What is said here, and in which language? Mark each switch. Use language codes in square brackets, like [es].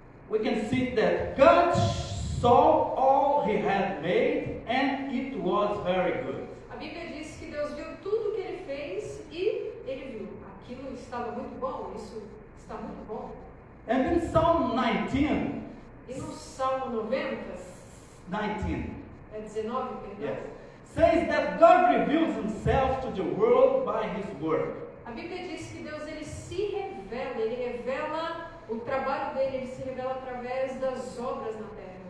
[en] we can see that God saw all he had made and it was very good. [pt] A Bíblia diz que Deus viu tudo que ele fez e ele viu. Aquilo estava muito bom, isso está muito bom. [en] And in Psalm 19, [pt] e no Salmo 90, [en] 19, [pt] é 19, perdão, [en] yes, says that God reveals himself to the world by his work. [pt] A Bíblia diz que Deus ele se revela, ele revela o trabalho dele, ele se revela através das obras na terra.